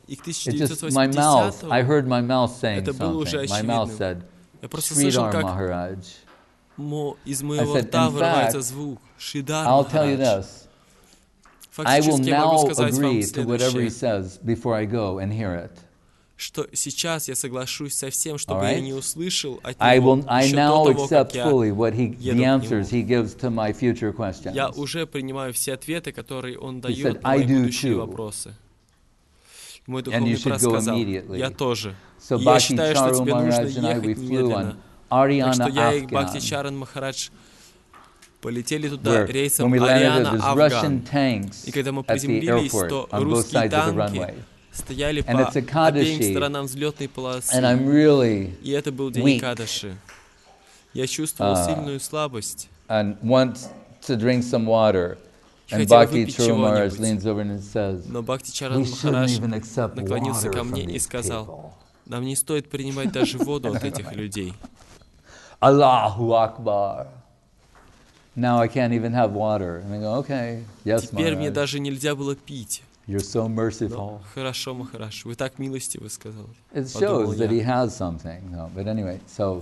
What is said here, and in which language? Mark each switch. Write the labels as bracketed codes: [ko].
[ru] И к 1980-му это было уже очевидно. Я просто слышал, как из моего рта вырывается звук Шридар Махарадж. Фактически я могу сказать вам следующее, что сейчас я соглашусь со всем, чтобы я не услышал от него еще до того, как я еду к нему. [en] The answers he gives to my future questions. [ru] Я уже принимаю все ответы, которые он дает на мои будущие вопросы. Мой духовный брат сказал, я тоже. [en] So, [ru] я считаю, что тебе нужно ехать немедленно. Ariana так что я и Бхакти Чаран Махарадж полетели туда рейсом Ариана-Афган. И когда мы приземлились, то русские танки стояли по обеим сторонам взлетной полосы. И это был день Экадаши. Я чувствовал сильную слабость. [en] And want to drink some water. And Bhakti Charan Maharaj leans over and says, [ru] но Бхакти Чаран Махарадж наклонился ко мне и сказал, нам не стоит принимать даже воду от этих людей. [ar] Аллаху Акбар. [en] Now I can't even have water. And I go, okay, yes, [ru] теперь мне даже нельзя было пить. [en] You're so merciful. [ru] Хорошо, Махарадж, вы так милостивы, сказал. [en] It shows that he has something. No, but anyway, so